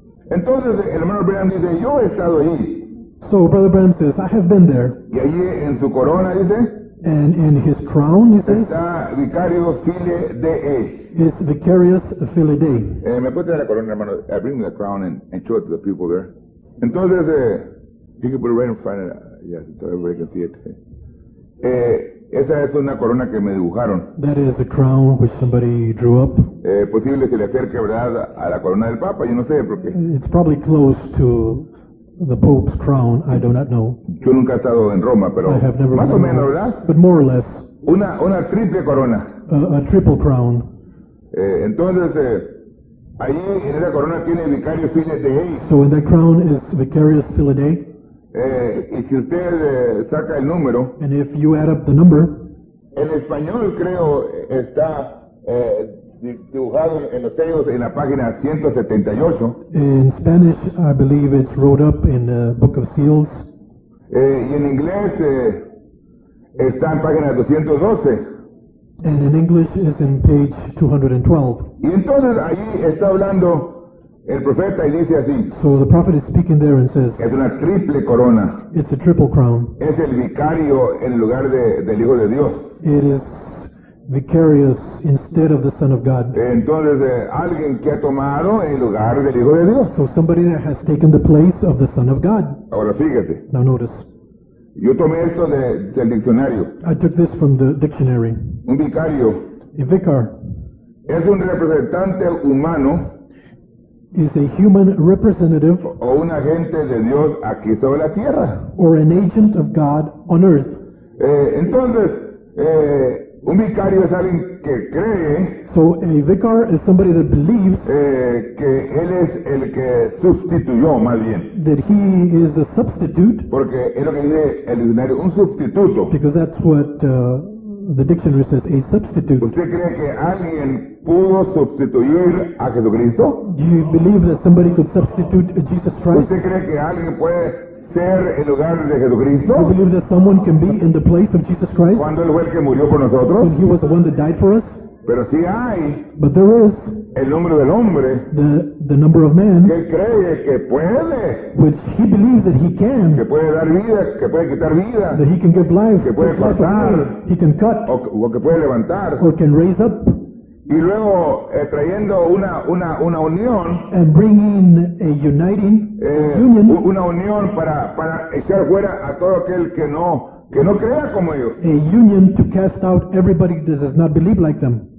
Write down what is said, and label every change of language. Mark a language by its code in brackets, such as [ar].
[es] Entonces el hermano Branham dice, yo he estado ahí. [en] So Brother Branham says, I have been there. [es] Y allí en su corona dice, [en] And his crown, he says, [es] está Vicario Fili Dei. [en] It's Vicarius Fili Dei. [es] Me puede dar la corona, hermano. [en] I bring the crown and show it to the people there. Entonces, you can put it right in front of yes, so everybody can see it. [es] Esa es una corona que me dibujaron. [en] That is a crown which somebody drew up. [es] Posible se le acerque, ¿verdad?, a la corona del Papa, yo no sé por qué. [en] It's probably close to the Pope's crown, I do not know. [es] Yo nunca he estado en Roma, pero [en] I have never [es] más [en] been [es] o menos, ¿verdad? [en] But more or less. [es] Una triple corona. [en] A triple crown. [es] Entonces, ahí en esa corona tiene Vicario Fili Dei. [en] So in that crown is Vicarius Fili Dei. [es] Y si usted saca el número, [en] and if you add up the number, [es] el español creo está dibujado en los sellos en la página 178. [en] In Spanish, I believe it's wrote up in the Book of Seals. [es] Y en inglés está en página 212. [en] And in English, it's in page 212. [es] Y entonces ahí está hablando el profeta y dice así. [en] So the prophet is speaking there and says, [es] es una triple corona. [en] It's a triple crown. [es] Es el vicario en lugar del Hijo de Dios. [en] It is vicarious instead of the Son of God. [es] Entonces, alguien que ha tomado el lugar del Hijo de Dios. [en] So somebody that has taken the place of the Son of God. [es] Ahora fíjate. [en] Now notice. [es] Yo tomé esto del diccionario. [en] I took this from the dictionary. [es] Un vicario. [en] A vicar. [es] Es un representante humano. [en] Is a human representative. [es] O un agente de Dios aquí sobre la tierra. [en] Or an agent of God on earth. [es] Entonces, un vicario es alguien que cree. [en] So a vicar is somebody that believes. [es] Que él es el que sustituyó, más bien. [en] That he is a substitute. [es] Porque es lo que dice el diccionario, un sustituto. [en] Because that's what the dictionary says, a substitute. [es] ¿Usted cree que alguien pudo sustituir a Jesucristo? [en] Do you believe that somebody could substitute Jesus Christ? [es] ¿Usted cree que alguien puede ser el lugar de Jesucristo? [en] Do you believe that someone can be in the place of Jesus Christ? [es] ¿Cuando él fue el que murió por nosotros? [en] When he was the one that died for us? [es] Pero sí hay. [en] But there is. [es] El nombre del hombre. [en] The number of man. [es] Que cree que puede. [en] Which he believes that he can. [es] Que puede dar vida, que puede quitar vida. [en] That he can give life. [es] Que puede cortar. [en] He can cut. [es] O que puede levantar. [en] Or can raise up. [es] Y luego trayendo una unión. [en] And bringing a uniting union. [es] Una unión para echar fuera a todo aquel que no crea como ellos. [en] A union to cast out everybody that does not believe like them.